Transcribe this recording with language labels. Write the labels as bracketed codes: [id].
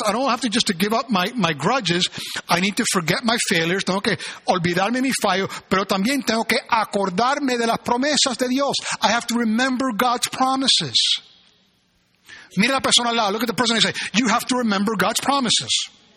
[en] I don't have to just to give up my grudges. I need to forget my failures. [es] Tengo que olvidarme mis fallos. Pero también tengo que acordarme de las promesas de Dios. [en] I have to remember God's promises. [es] Mira la persona al lado. [en] Look at the person and say, you have to remember God's promises.